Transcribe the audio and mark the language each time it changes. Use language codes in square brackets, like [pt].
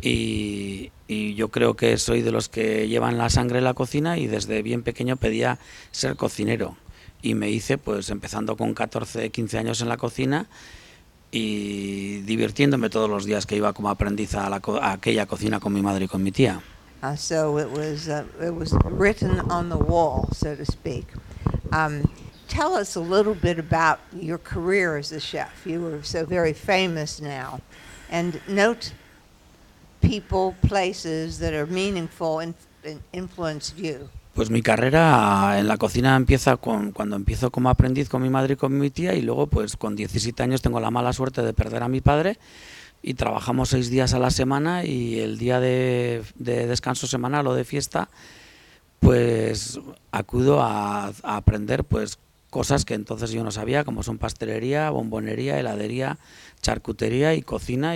[es] Y yo creo que soy de los que llevan la sangre en la cocina y desde bien pequeño pedía ser cocinero. Y me hice, pues empezando con 14, 15 años en la cocina y divirtiéndome todos los días que iba como aprendiz a aquella cocina con mi madre y con mi tía. [en] So it was written on the wall, so to speak. Tell us a little bit about your career as a chef. You are so very famous now. And note people, places that are meaningful and influenced you. [es] Pues mi carrera en la cocina empieza cuando empiezo como aprendiz con mi madre y con mi tía, y luego pues con 17 años tengo la mala suerte de perder a mi padre. Y trabajamos 6 días a la semana y el día de descanso semanal o de fiesta, pues acudo a aprender pues cosas que entonces yo no sabía, como son pastelería, bombonería, heladería, charcutería y cocina.